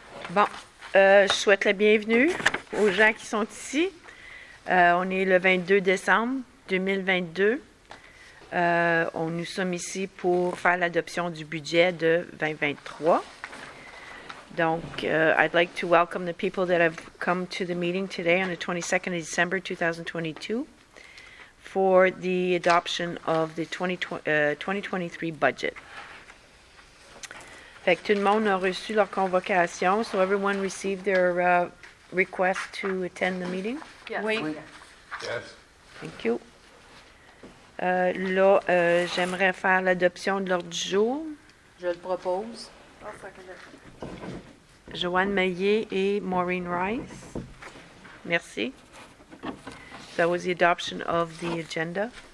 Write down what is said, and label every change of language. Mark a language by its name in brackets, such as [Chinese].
[French] Bon, je souhaite la bienvenue aux gens qui sont ici. On est le 22 décembre 2022. Nous sommes ici pour faire l'adoption du budget de 2023. [English] Donc, I'd like to welcome the people that have come to the meeting today on the 22nd of December 2022 for the adoption of the 2023 budget. [French] Fait que tout le monde a reçu leur convocation. [English] So everyone received their request to attend the meeting? Yes. [French] Oui. [English] Yes. Thank you. [French] Là, j'aimerais faire l'adoption de l'ordre du jour. Je le propose. Joanne Maillet et Maureen Rice. Merci. [English] That was the adoption of the agenda.